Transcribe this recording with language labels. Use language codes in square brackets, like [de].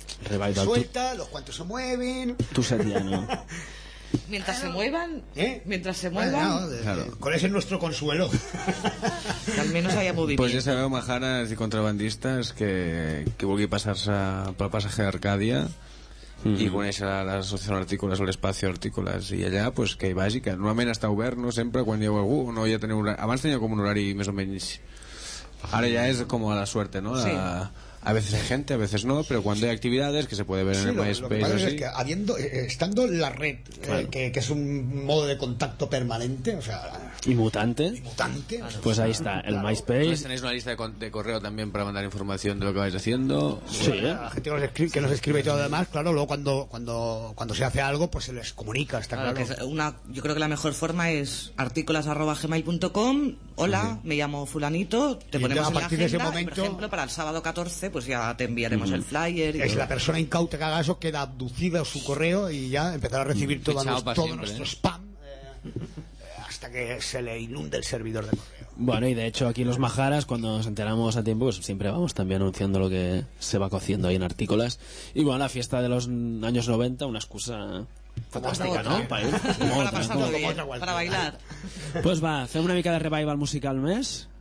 [es] Revival, suelta, los cuantos se mueven. Tú serías, ¿no? Mientras se muevan, ¿eh? Mientras se muevan. Bueno, claro. ¿Cuál es nuestro consuelo? Que al menos haya movimiento. Pues ya sabemos, majaras y contrabandistas, que [ca] vulgui [es] pasarse por el pasaje de Arcadia. [ca] Mm-hmm. I coneix la associació d'Artícules o l'espacio d'Artícules, i allà, pues, que hi vagi, que normalment està obert, no sempre, quan hi ha algú, no, ja teniu horari. Abans tenia com un horari més o menys, ara ja és com [es] a la suerte, [ca] no? Sí. [es] A veces hay gente, a veces no, pero cuando hay actividades que se puede ver, sí, en el MySpace. Lo que pasa es que estando la red, claro, que es un modo de contacto permanente, o sea, ¿Y Mutante? Claro, pues ahí está, claro. El MySpace. ¿Tenéis una lista de correo también para mandar información de lo que vais haciendo? Sí, sí. La gente que nos escribe, sí, que nos escribe, sí, y todo lo demás, claro, luego cuando se hace algo, pues se les comunica, está claro. Yo creo que la mejor forma es articolas@gmail.com. Hola, sí, me llamo fulanito, te ponemos a partir en la agenda, de ese momento, por ejemplo, para el sábado 14, pues ya te enviaremos el flyer. Y si la persona incauta que haga eso, queda abducida su correo y ya empezará a recibir todo nuestro spam. Hasta que se le inunde el servidor de correo. Bueno, y de hecho aquí los majaras, cuando nos enteramos a tiempo, pues siempre vamos también anunciando lo que se va cociendo ahí en artículos. Y bueno, la fiesta de los años 90, una excusa fantástica, ¿no? Para bailar. [ca] Pues va, fem una mica de revival musical més.